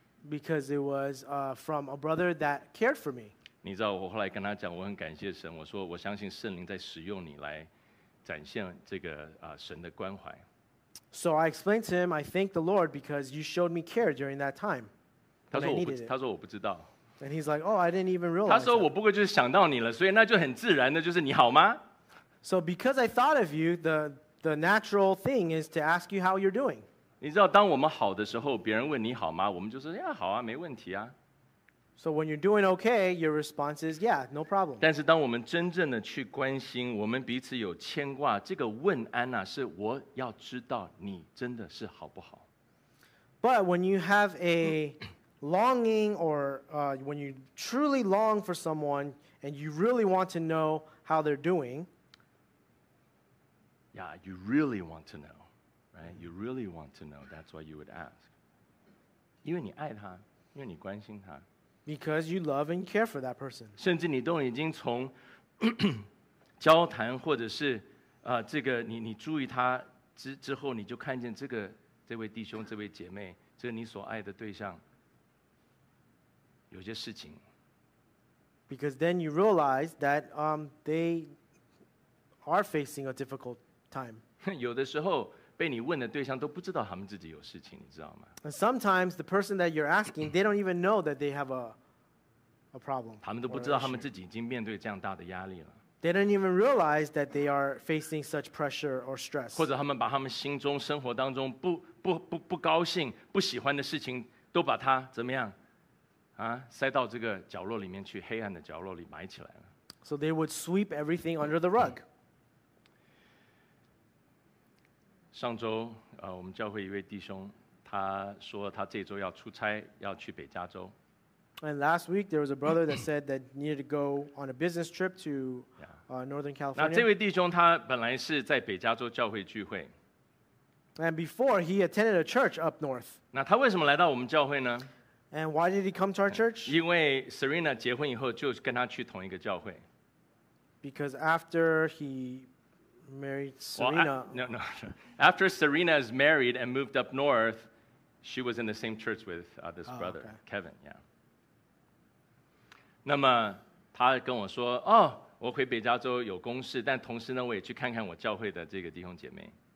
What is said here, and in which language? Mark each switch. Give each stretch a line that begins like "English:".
English: Because it was from a brother that cared for me.
Chinese: 你知道我后来跟他讲，我很感谢神。我说我相信圣灵在使用你来展现这个神的关怀。
English: So I explained to him, I thank the Lord because you showed me care during that time.
Chinese: 他说我不知道。
English: And he's like, oh, I didn't even realize.
Chinese: 他说我不过就是想到你了，所以那就很自然的就是你好吗
English: ？So because I thought of you, the natural thing is to ask you how you're doing.
Chinese: 你知道当我们好的时候，别人问你好吗，我们就说呀好啊，没问题啊。
English: So when you're doing okay, your response is, yeah, no problem.
Chinese: 但是当我们真正的去关心，我们彼此有牵挂，这个问安啊，是我要知道你真的是好不好。
English: But when you have a longing or when you truly long for someone and you really want to know how they're doing. Yeah, you really want to know, right? You really want to know, that's why you would ask.
Chinese: 因为你爱他，因为你关心他。
English: Because you love and care for that person.
Chinese: 甚至你都已经从交谈或者是这个你注意他之后，你就看见这个这位弟兄、这位姐妹、这个你所爱的对象有些事情。
English: Because then you realize that they are facing a difficult time.
Chinese: 有的时候被你问的对象都不知道他们自己有事情，你知道吗？
English: And sometimes the person that you're asking, they don't even know that they have a problem.
Chinese: 他们都不知道他们自己已经面对这样大的压力了。
English: They don't even realize that they are facing such pressure or stress.
Chinese: 或者他们把他们心中、生活当中不高兴、不喜欢的事情都把它怎么样啊塞到这个角落里面去，黑暗的角落里埋起来了。
English: So they would sweep everything under the rug.
Chinese: 上周我们教会一位弟兄他说他这周要出差要去北加州。
English: And last week there was a brother that said that needed to go on a business trip to Northern California.
Chinese: 那这位弟兄他本来是在北加州教会聚会。
English: And before he attended a church up north.
Chinese: 那他为什么来到我们教会呢？
English: And why did he come to our church?
Chinese: 因为 Serena 结婚以后就跟他去同一个教会。
English: Because after he married Serena. Well, no. After Serena is married and moved up north, she was in the same church with this brother, Kevin. Yeah.
Chinese: 那么他跟我说，哦，我回北加州有公事，但同时呢，我也去看看我教会的这个弟兄姐妹。